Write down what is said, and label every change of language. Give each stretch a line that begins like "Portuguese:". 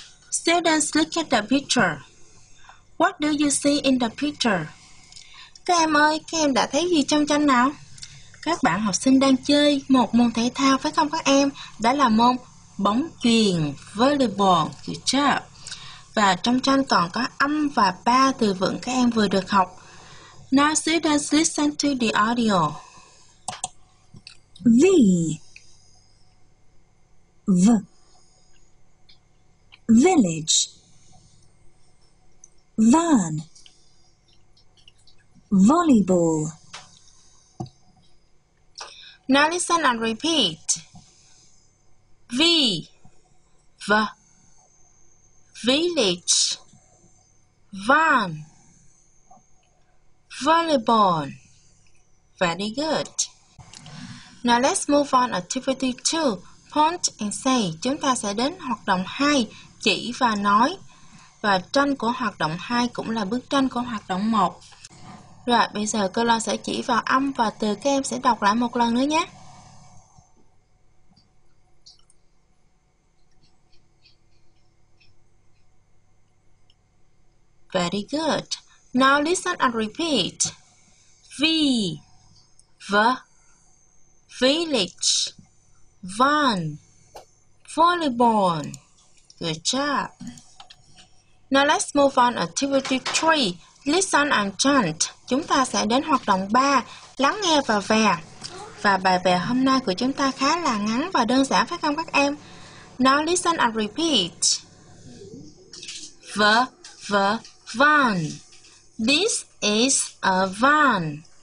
English: Students look at the picture. What do you see in the picture?
Vietnamese: Các em ơi, các em đã thấy gì trong tranh nào? Các bạn học sinh đang chơi một môn thể thao phải không các em? Đó là môn bóng chuyền.
English: Volleyball. Good job.
Vietnamese: Và trong tranh còn có âm và ba từ vựng các em vừa được học.
English: Now students listen to the audio. V. V. Village. Van. Volleyball. Now listen and repeat. V. V. Village. Van. Volleyball. Very good. Now let's move on activity 2. Point and say.
Vietnamese: Chúng ta sẽ đến hoạt động 2. Chỉ và nói. Và tranh của hoạt động 2 cũng là bức tranh của hoạt động 1. Rồi bây giờ cô Loan sẽ chỉ vào âm và từ các em sẽ đọc lại một lần nữa nhé.
English: Very good. Now listen and repeat. V. V. Village. Van. Volleyball. Good job. Now let's move on activity 3. Listen and chant.
Vietnamese: Chúng ta sẽ đến hoạt động 3. Lắng nghe và vè. Và bài vè hôm nay của chúng ta khá là ngắn và đơn giản phải không các em?
English: Now listen and repeat. V. V. Van. This is a van.